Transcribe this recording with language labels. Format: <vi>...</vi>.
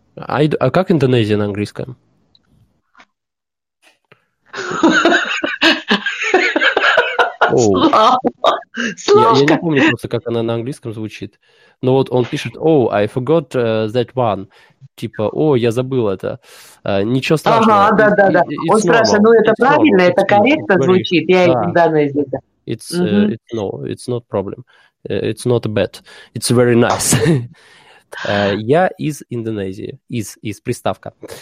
<ru>А как Индонезия на английском? Я не помню просто, как она на английском звучит. Но вот он пишет,</ru> <en>oh, I forgot that one.</en> <ru>Типа, о, я забыл это. Ничего страшного. Ага, да. Он спрашивает, ну это правильно, это корректно звучит? Я из Индонезии.</ru> <en>It's not problem. It's not bad. It's very nice.</en> <ru>Я из Индонезии. Из приставка.</ru>